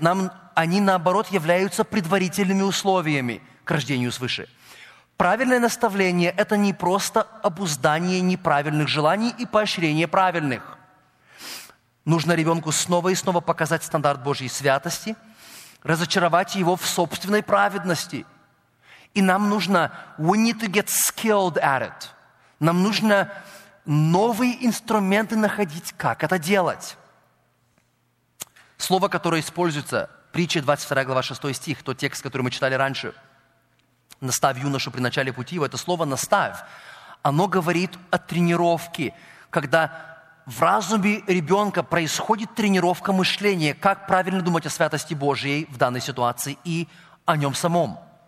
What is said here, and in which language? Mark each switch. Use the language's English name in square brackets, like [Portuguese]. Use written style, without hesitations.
[Russian] Нам они, наоборот, являются предварительными условиями к рождению свыше. Правильное наставление – это не просто обуздание неправильных желаний и поощрение правильных. Нужно ребенку снова и снова показать стандарт Божьей святости, разочаровать его в собственной праведности. И нам нужно [English] «we need to get skilled at it». [Russian] Нам нужно новые инструменты находить, как это делать. Слово, которое используется, притча 22 глава 6 стих, тот текст, который мы читали раньше, «Наставь юношу при начале пути его», это слово «наставь», Оно говорит о тренировке, когда в разуме ребенка происходит тренировка мышления, как правильно думать о святости Божьей в данной ситуации и о нем самом.